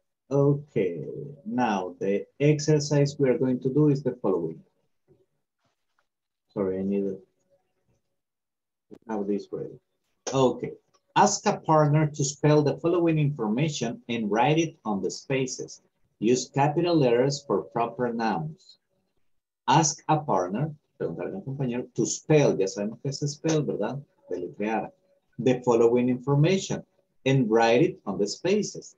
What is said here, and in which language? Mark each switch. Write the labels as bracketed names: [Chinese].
[English] Okay, now the exercise we are going to do is the following. Sorry, I need to have this ready. Okay, ask a partner to spell the following information and write it on the spaces. Use capital letters for proper nouns. Ask a partner, [Spanish] preguntar a un compañero, [English] to spell, [Spanish] ya sabemos que se spell, ¿verdad? Deletrear. [English] The following information and write it on the spaces.